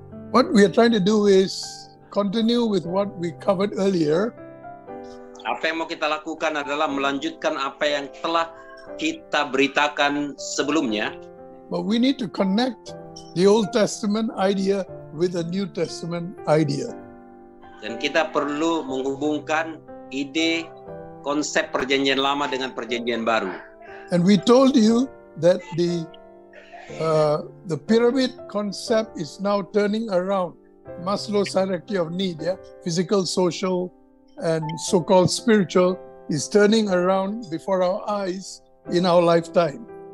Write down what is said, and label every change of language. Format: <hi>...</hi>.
<en>What we are trying to do is continue with what we covered earlier.</en> <id>Apa yang mau kita lakukan adalah melanjutkan apa yang telah kita beritakan sebelumnya.</id> <en>But we need to connect the Old Testament idea with the New Testament idea.</en> <id>Dan kita perlu menghubungkan ide konsep perjanjian lama dengan perjanjian baru.</id> <en>And we told you that the pyramid concept is now turning around Maslow's hierarchy of need, yeah, physical, social, and so-called spiritual is turning around before our eyes in our lifetime.</en>